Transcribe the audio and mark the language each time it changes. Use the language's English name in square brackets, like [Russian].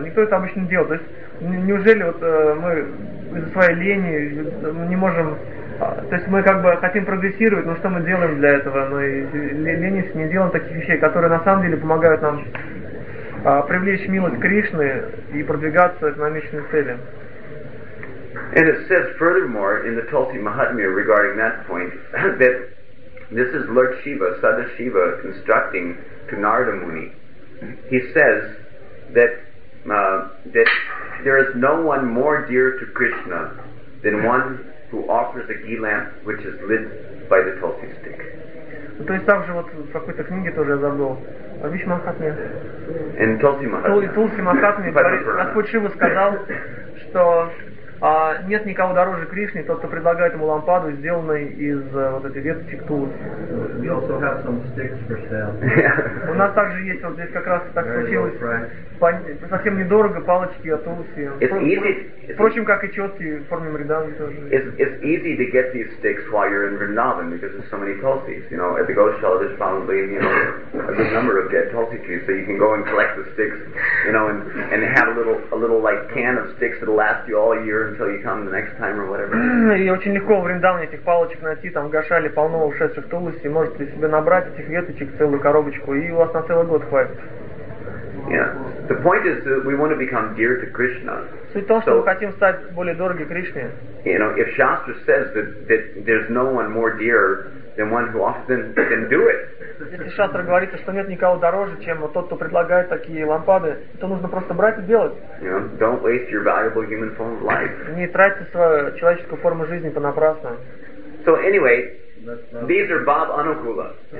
[Russian] Никто это обычно не делает. То есть, неужели вот мы из-за своей лени не можем... То есть мы как бы хотим прогрессировать, но что мы делаем для этого? Мы ленимся, не делаем таких вещей, которые на самом деле помогают нам... привлечь милость Кришны и продвигаться к намеченной цели. [English] And it says furthermore in the Tulsi Mahatmya regarding that point that this is Lord Shiva, Sada Shiva, instructing to Narada Muni. He says that that there is no one more dear to Krishna than one who offers a ghee lamp which is lit by the tulsi stick. [Russian] То есть там же вот в какой-то книге тоже я забыл. Вишма Махатмья. [English] In Tulsi Mahatmya. Tulsi Mahatmya. [Russian] Господь Шива сказал, что нет никого дороже Кришны, тот, кто предлагает ему лампаду, сделанную из вот этой веточек тулуси. [English] We also have some sticks for sale. [Russian] У нас также есть, вот здесь как раз так случилось, совсем недорого палочки от тулуси. Впрочем, как и четки в форме мриданги тоже. [English] It's easy to get these sticks while you're in Vrindavan because there's so many tulsis. You know, at the Goshala there's probably, you know, a good number of dead tulsi trees, so you can go and collect the sticks, you know, and have a little like can of sticks that'll last you all year until you come the next time or whatever. [Russian] И очень легко в Вриндавне этих палочек найти, там в Гошале полно ушедших тулуси, можете себе набрать этих веточек целую коробочку, и у вас на целый год хватит. [English] Yeah. The point is that we want to become dear to Krishna. [Russian] Суть в том, что мы хотим стать более дороги Кришне. [English] You know, if Shastra says that there's no one more dear than one who often can do it. [Russian] Если шастра говорит, что нет никого дороже, чем тот, кто предлагает такие лампады, то нужно просто брать и делать. [English] You know, don't waste your valuable human form of life. [Russian] Не тратьте свою человеческую форму жизни понапрасну. [English] So anyway, these are Bab Anukula.